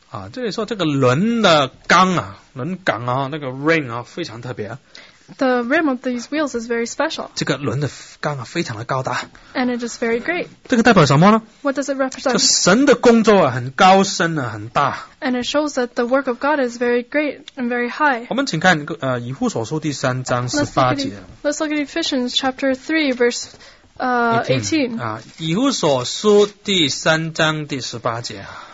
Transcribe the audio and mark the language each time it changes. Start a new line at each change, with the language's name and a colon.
Chinese: 这里说这个轮的钢啊，轮钢啊，那个 ring 啊，非常特别。
English: The rim of these wheels is very special.
Chinese: 这个轮的钢啊，非常的高大。
English: And it is very great.
Chinese: 这个代表什么呢
English: ？What does it represent?
Chinese: 就神的工作啊，很高深啊，很大。
English: And it shows that the work of God is very great and very high.
Chinese: 我们请看以弗所书第三章十八节。
English: Let's look at Ephesians chapter 3 verse 18.
Chinese: 以弗所书第三章第十八节啊。